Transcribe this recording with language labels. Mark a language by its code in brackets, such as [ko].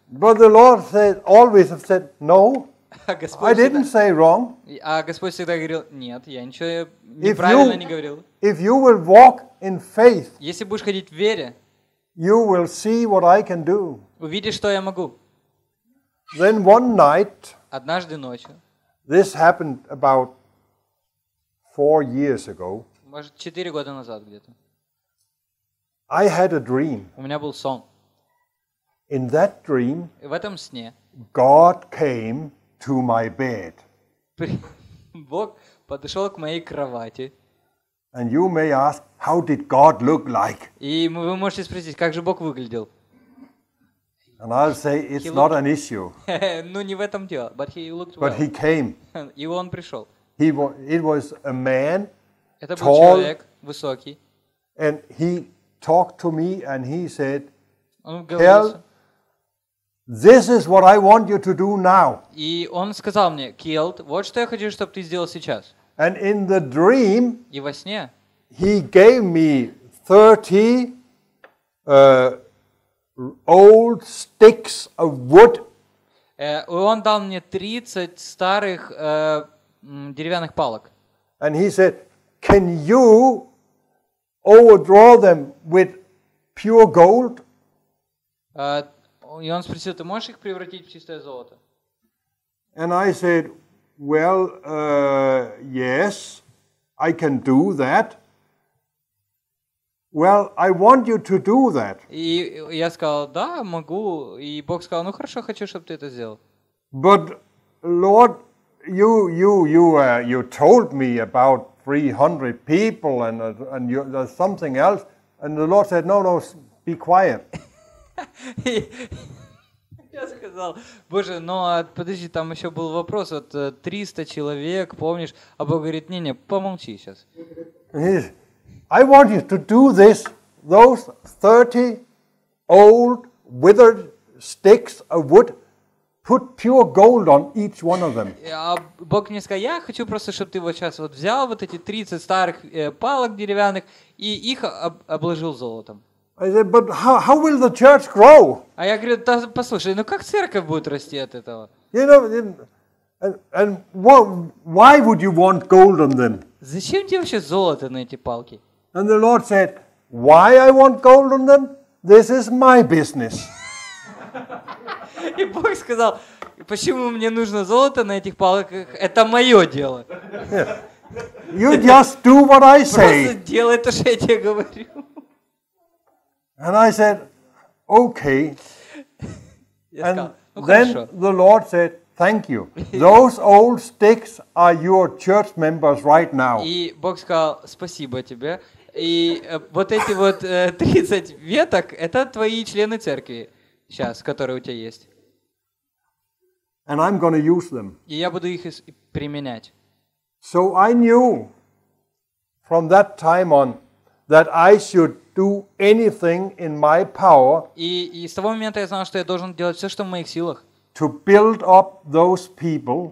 [en] But the Lord said, always have said, no, I didn't say wrong. [ru] А Господь всегда говорил, нет, я ничего неправильно не говорил. [en] If you will walk in faith, [ru] если будешь ходить в вере, [en] you will see what I can do. [ru] Увидишь, что я могу. [en] Then one night, [ru] однажды ночью, [en] this happened about 4 years ago, [ru] может, 4 года назад где-то, [en] I had a dream. [ru] У меня был сон. [en] In that dream, [ru] в этом сне, [en] God came to my bed. [ru] Бог подошел к моей кровати. [en] And you may ask, how did God look like? [ru] И вы можете спросить, как же Бог выглядел? [en] And I'll say, it's not an issue. [ru] Ну, не в этом дело. [en] But he looked well. But he came. [ru] И он пришел. [en] It was a man, [ru] это был человек, высокий. [en] And he talked to me and he said, Кел, this is what I want you to do now. [ru] И он сказал мне, Кельт, вот что я хочу, чтобы ты сделал сейчас. [en] And in the dream, [ru] и во сне, [en] he gave me 30 old sticks of wood. [ru] Он дал мне 30 старых деревянных палок. [en] And he said, can you overdraw them with pure gold? [ru] И он спросил, ты можешь их превратить в чистое золото? [en] And I said, well, yes, I can do that. Well, I want you to do that. [ru] И я сказал, да, могу. И Бог сказал, ну хорошо, хочу, чтобы ты это сделал. [en] But, Lord, you told me about 300 people and you, there's something else. And the Lord said, no, be quiet. [ru] Я сказал, Боже, ну а подожди, там еще был вопрос, вот 300 человек, помнишь? А Бог говорит, не, помолчи сейчас. [en] I want you to do this, those 30 old withered sticks of wood, put pure gold on each one of them. [ru] А Бог мне сказал, я хочу просто, чтобы ты вот сейчас вот взял вот эти 30 старых палок деревянных и их обложил золотом. [en] I said, but how will the church grow? [ru] А я говорю, да, послушай, ну как церковь будет расти от этого? [en] You know, and why would you want gold on them? [ru] Зачем тебе вообще золото на эти палки? [en] And the Lord said, why I want gold on them? This is my business. [ru] И Бог сказал, почему мне нужно золото на этих палках? Это мое дело. [en] You just do what I say. [ru] Просто делай то, что я тебе говорю. [en] And I said, okay. And then the Lord said, thank you. Those old sticks are your church members right now. [ru] И Бог сказал, спасибо тебе. И вот эти вот 30 веток, это твои члены церкви сейчас, которые у тебя есть. [en] And I'm going to use them. [ru] И я буду их применять. [en] So I knew from that time on that I should do anything in my power. [ru] И с того момента я знал, что я должен делать все, что в моих силах. [en] To build up those people.